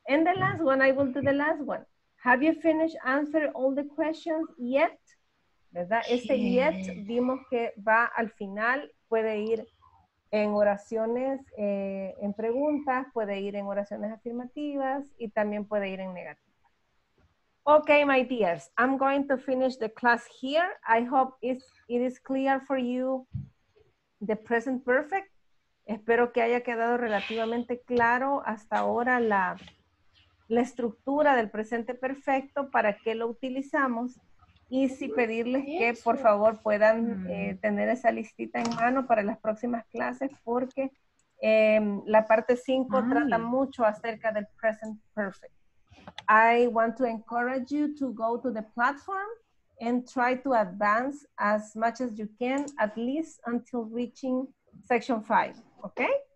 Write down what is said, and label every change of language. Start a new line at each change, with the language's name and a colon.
English: And the last one, I will do the last one. Have you finished answering all the questions yet?
Spanish: ¿Verdad? Sí. Este yet, vimos que va al final, puede ir en oraciones, en preguntas, puede ir en oraciones afirmativas y también puede ir en negativas.
English: Okay, my dears, I'm going to finish the class here. I hope it is clear for you the present perfect.
Spanish: Espero que haya quedado relativamente claro hasta ahora la estructura del presente perfecto, para qué lo utilizamos. Y si pedirles que por favor puedan tener esa listita en mano para las próximas clases, porque la parte 5 trata mucho acerca del present perfect.
English: I want to encourage you to go to the platform and try to advance as much as you can, at least until reaching section 5, okay?